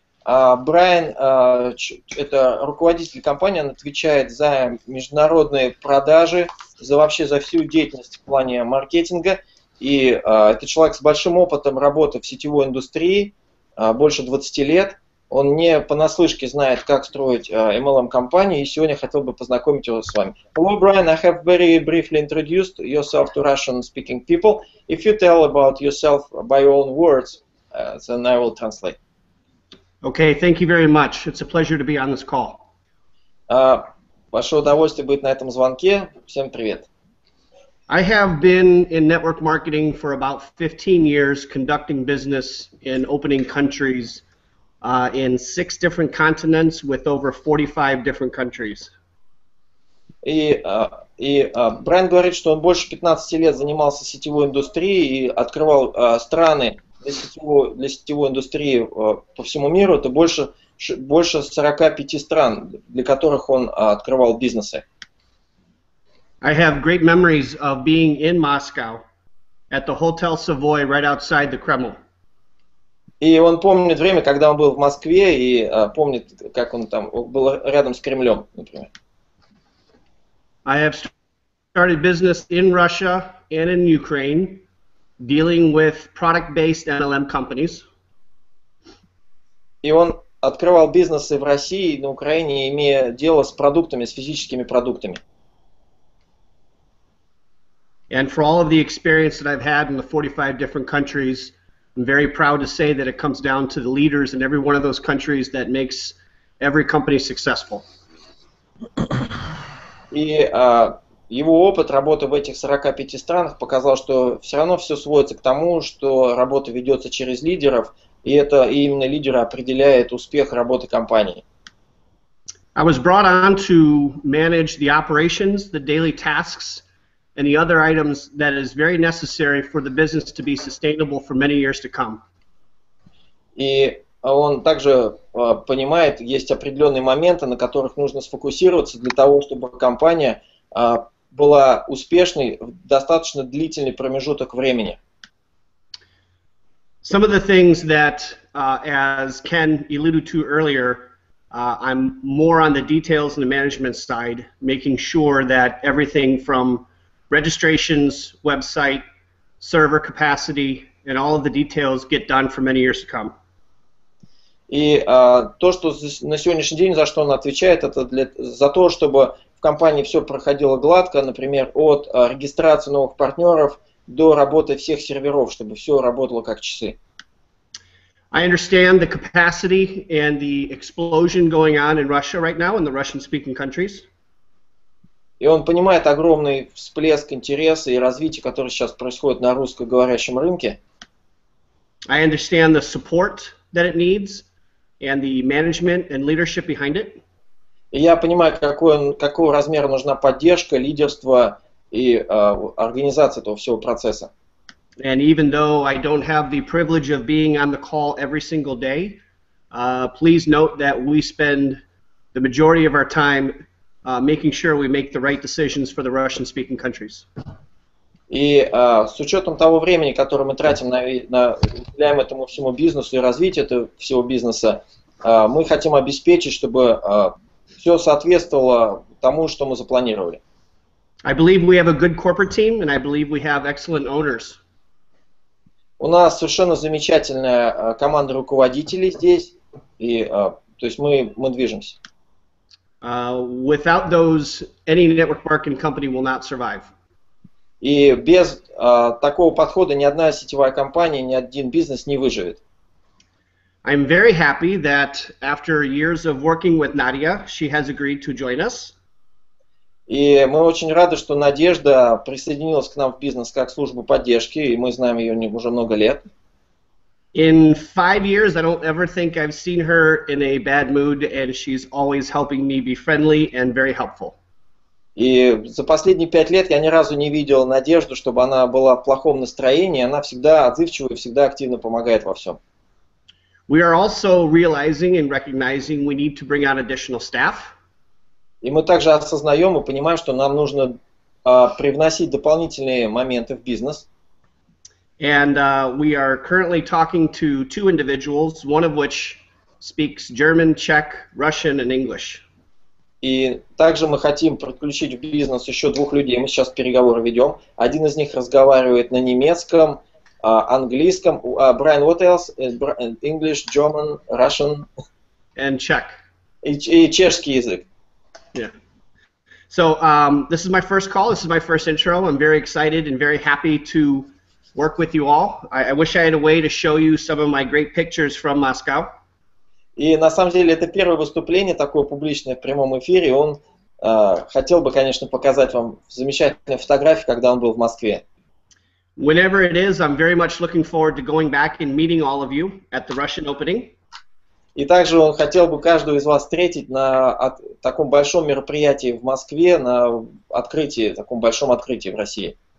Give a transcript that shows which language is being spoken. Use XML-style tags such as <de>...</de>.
<ru>Брайан – это руководитель компании, он отвечает за международные продажи, за вообще за всю деятельность в плане маркетинга. И это человек с большим опытом работы в сетевой индустрии, больше 20 лет. Он не понаслышке знает, как строить MLM-компании, и сегодня хотел бы познакомить его с вами.</ru> <en>Hello, Brian. I have very briefly introduced yourself to Russian-speaking people. If you tell about yourself by your own words, then I will translate. Okay, thank you very much. It's a pleasure to be on this call.</en> <ru>Большое удовольствие быть на этом звонке. Всем привет.</ru> <en>I have been in network marketing for about 15 years, conducting business in opening countries in 6 different continents with over 45 different countries.</en> <ru>И Брайан говорит, что он больше 15 лет занимался сетевой индустрией и открывал страны для сетевой индустрии по всему миру. Это больше 45 стран, для которых он открывал бизнесы.</ru> <en>I have great memories of being in Moscow at the Hotel Savoy right outside the Kremlin.</en> <ru>И он помнит время, когда он был в Москве, и помнит, как он там был рядом с Кремлем, например.</ru> <en>I have started business in Russia and in Ukraine, dealing with product-based MLM companies.</en> <ru>И он открывал бизнесы в России и на Украине, имея дело с продуктами, с физическими продуктами.</ru> <en>And for all of the experience that I've had in the 45 different countries, I'm very proud to say that it comes down to the leaders in every one of those countries that makes every company successful.</en> <ru>И его опыт работы в этих 45 странах показал, что все равно все сводится к тому, что работа ведется через лидеров, и это и именно лидеры определяют успех работы компании.</ru> <en>I was brought on to manage the operations, the daily tasks, and the other items that is very necessary for the business to be sustainable for many years to come.</en> <ru>И он также понимает, есть определенные моменты, на которых нужно сфокусироваться для того, чтобы компания была успешной в достаточно длительный промежуток времени.</ru> <en>Some of the things that, as Ken alluded to earlier, I'm more on the details and the management side, making sure that everything from registrations, website, server capacity, and all of the details get done for many years to come.</en> <ru>И то, что на сегодняшний день, за что он отвечает, это за то, чтобы в компании все проходило гладко, например, от регистрации новых партнеров до работы всех серверов, чтобы все работало как часы.</ru> <en>I understand the capacity and the explosion going on in Russia right now, in the Russian-speaking countries.</en> <ru>И он понимает огромный всплеск интереса и развития, который сейчас происходит на русскоговорящем рынке.</ru> <en>I understand the support that it needs and the management and leadership behind it.</en> <ru>И я понимаю, какого размера нужна поддержка, лидерство и организация этого всего процесса.</ru> <en>And even though I don't have the privilege of being on the call every single day, please note that we spend the majority of our time making sure we make the right decisions for the Russian-speaking countries.</en> <ru>И с учетом того времени, которое мы тратим на уделяем этому всему бизнесу и развитие этого всего бизнеса, мы хотим обеспечить, чтобы все соответствовало тому, что мы запланировали.</ru> <en>I believe we have a good corporate team, and I believe we have excellent owners.</en> <ru>У нас совершенно замечательная команда руководителей здесь, и то есть мы движемся.</ru> <en>Without those, any network marketing company will not survive.</en> <ru>И без такого подхода ни одна сетевая компания, ни один бизнес не выживет.</ru> <en>I'm very happy that after years of working with Nadia, she has agreed to join us.</en> <ru>И мы очень рады, что Надежда присоединилась к нам в бизнес как службу поддержки, и мы знаем ее уже много лет.</ru> <en>In 5 years, I don't ever think I've seen her in a bad mood, and she's always helping me be friendly and very helpful.</en> <ru>И за последние 5 лет я ни разу не видел надежду, чтобы она была в плохом настроении. Она всегда отзывчива и всегда активно помогает во всем.</ru> <en>We are also realizing and recognizing we need to bring on additional staff.</en> <ru>И мы также осознаем и понимаем, что нам нужно привносить дополнительные моменты в бизнес.</ru> <en>And we are currently talking to 2 individuals, one of which speaks German, Czech, Russian, and English.</en> <ru>И также мы хотим подключить в бизнес еще 2 людей. Мы сейчас переговоры ведем. Один из них разговаривает на немецком, английском.</ru> <en>Brian, what else? English, German, Russian. And Czech.</en> <ru>И чешский язык.</ru> <en>Yeah. So this is my first call. This is my first intro. I'm very excited and very happy to work with you all. I wish I had a way to show you some of my great pictures from Moscow.</en> <ru>И на самом деле это первое выступление такое публичное в прямом эфире. Он хотел бы, конечно, показать вам замечательные фотографии, когда он был в Москве.</ru> <en>Whenever it is, I'm very much looking forward to going back and meeting all of you at the Russian opening.</en> <ru>И также он хотел бы каждого из вас встретить на таком большом мероприятии в Москве, на открытии, таком большом открытии в России.</ru>